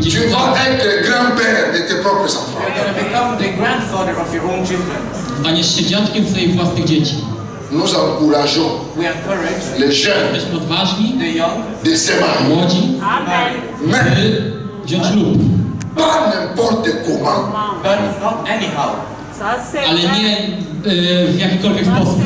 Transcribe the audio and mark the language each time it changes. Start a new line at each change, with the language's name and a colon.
French: tes enfants vont devenir grand-père de tes propres enfants.
English: You're going to become the grandfather of your own children.
Polish: Staniesz się dziadkiem swoich własnych dzieci.
French: Nous encourageons les jeunes,
Polish: odważni,
English: the young,
French: de se marier.
Polish: Młodzi, Amen. By wziąć ślub.
French: Pas n'importe comment.
English: But not anyhow.
Polish: Ale nie w jakikolwiek sposób.